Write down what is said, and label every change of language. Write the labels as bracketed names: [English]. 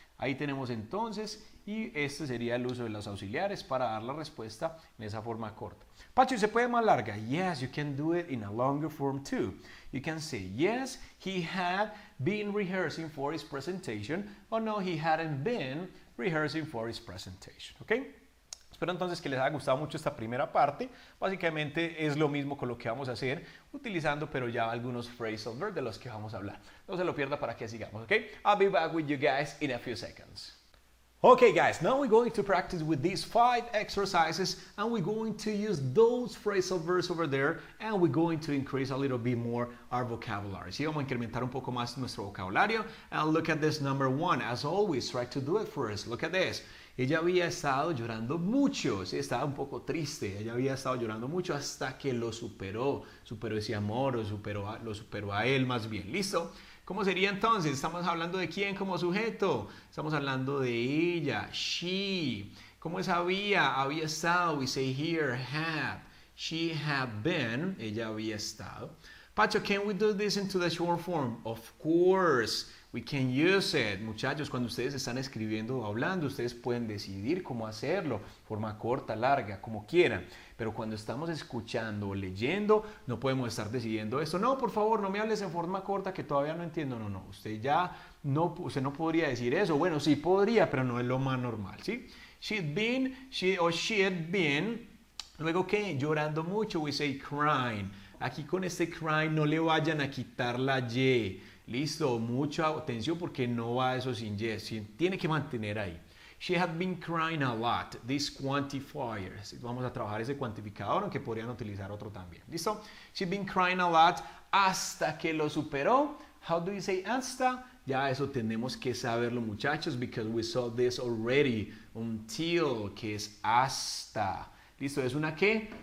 [Spanish] Ahí tenemos entonces, y este sería el uso de los auxiliares para dar la respuesta en esa forma corta. Pacho, ¿se puede más larga? [English] Yes, you can do it in a longer form too. You can say, yes, he had been rehearsing for his presentation, or no, he hadn't been rehearsing for his presentation. ¿Ok? [Spanish] Espero entonces que les haya gustado mucho esta primera parte. Básicamente es lo mismo con lo que vamos a hacer, utilizando pero ya algunos phrasal verbs de los que vamos a hablar. No se lo pierda para que sigamos, ¿ok? [English] I'll be back with you guys in a few seconds. Okay, guys, now we're going to practice with these five exercises and we're going to use those phrasal verbs over there and we're going to increase a little bit more our vocabulary. [Spanish] Sí, vamos a incrementar un poco más nuestro vocabulario. [English] And look at this number one. As always, try to do it first. Look at this. [Spanish] Ella había estado llorando mucho. Sí, estaba un poco triste. Ella había estado llorando mucho hasta que lo superó. Superó ese amor o lo superó a él más bien. ¿Listo? ¿Cómo sería entonces? ¿Estamos hablando de quién como sujeto? Estamos hablando de ella, she. ¿Cómo es había? Había estado, [English] we say here, have. She had been, [Spanish] ella había estado. [English] Pacho, can we do this into the short form? Of course, we can use it. [Spanish] Muchachos, cuando ustedes están escribiendo o hablando, ustedes pueden decidir cómo hacerlo, forma corta, larga, como quieran. Pero cuando estamos escuchando o leyendo, no podemos estar decidiendo esto. No, por favor, no me hables en forma corta que todavía no entiendo. No, no, usted ya no, usted no podría decir eso. Bueno, sí podría, pero no es lo más normal, ¿sí? [English] She'd been, she or she had been, [Spanish] luego ¿qué? Llorando mucho, [English] we say crying. [Spanish] Aquí con este crying no le vayan a quitar la Y. Listo, mucha atención porque no va eso sin Y. Tiene que mantener ahí. [English] She had been crying a lot, this quantifier. [Spanish] Vamos a trabajar ese cuantificador, aunque podrían utilizar otro también. ¿Listo? [English] She'd been crying a lot [Spanish] hasta que lo superó. [English] How do you say hasta? [Spanish] Ya eso tenemos que saberlo, muchachos, [English] because we saw this already. [Spanish] Until, que es hasta. ¿Listo? ¿Es una qué?